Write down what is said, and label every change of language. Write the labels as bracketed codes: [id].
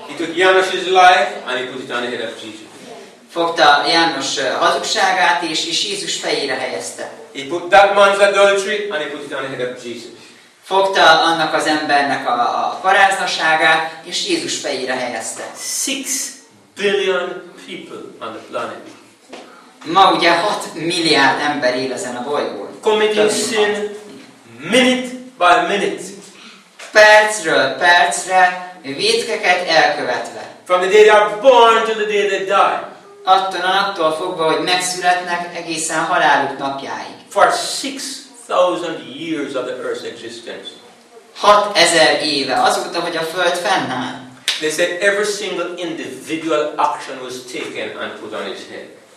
[en] He took János's life and he put it on the head of Jesus. [hu] Fogta János hazugságát és Jézus fejére helyezte. [en] He put that man's adultery and he put it on the head of Jesus. [hu] Fogta annak az embernek a paráznaságát és Jézus fejére helyezte. [en] 6 billion people on the planet. [hu] Ma ugye 6 milliárd ember él ezen a bolygón. [en] Committing sin minute by minute. [hu] Percről percre, vétkeket elkövetve. [en] From the day they are born to the day they die. [hu] Attól fogva, hogy megszületnek egészen haláluk napjáig. [en] For 6,000 years of the Earth's existence. [hu] 6,000 éve, azóta, hogy a Föld fennáll. [en] They said every single individual action was taken and put on his head.